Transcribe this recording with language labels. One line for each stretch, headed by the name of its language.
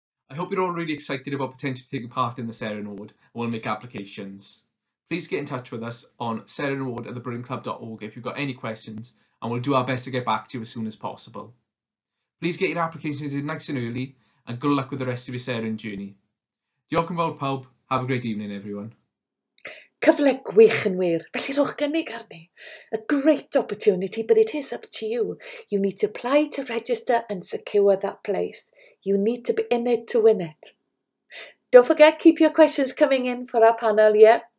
English: I hope you're all really excited about potentially taking part in the Seren Award and will make applications. Please get in touch with us on serenaward@thebrilliantclub.org if you've got any questions, and we'll do our best to get back to you as soon as possible. Please get your applications in nice and early, and good luck with the rest of your Seren journey.
Welsh: Diolch yn fawr pawb,
English: have a great evening everyone.
Welsh: Cyfle gwych yn wir, felly roch gynnig arni.
English: A great opportunity, but it is up to you. You need to apply to register and secure that place. You need to be in it to win it. Don't forget, keep your questions coming in for our panel, yep.